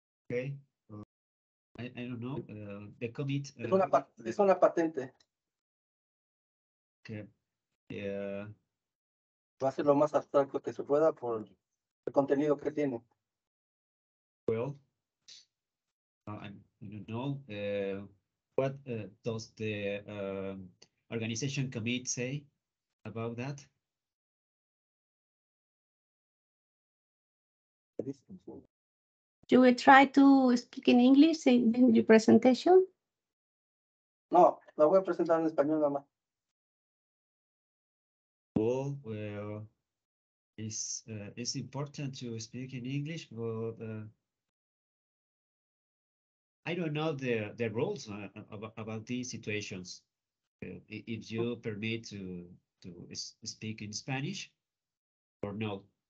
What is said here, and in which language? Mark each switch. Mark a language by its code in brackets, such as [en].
[en] Okay. I don't know, the COVID. [es] Es una patente. [en] Okay. Yeah. [es] Va a ser lo más abstracto que se pueda por el contenido que tiene. [en] Well, I don't know. What does the organization COVID say about that? You will try to speak in English in your presentation? [es] No, la voy a presentar en español, mamá. [en] Well, it's important to speak in English, but I don't know the rules about these situations. If you permit to speak in Spanish or no.